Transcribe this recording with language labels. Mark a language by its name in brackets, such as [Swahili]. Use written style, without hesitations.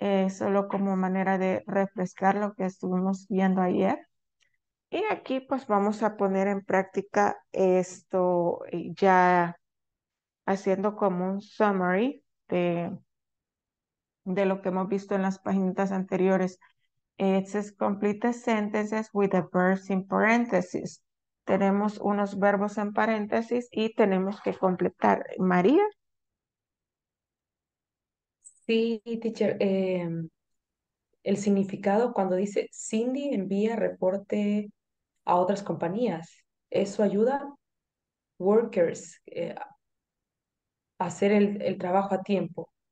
[Spanish] Solo como manera de refrescar lo que estuvimos viendo ayer. Y aquí pues vamos a poner en práctica esto ya haciendo como un summary de lo que hemos visto en las páginas anteriores. [English] It's complete sentences with the verbs in parentheses. [Spanish] Tenemos unos verbos en paréntesis y tenemos que completar. María. Sí, teacher, el significado cuando dice Cindy envía reporte a otras compañías, ¿eso ayuda workers a hacer el trabajo a tiempo?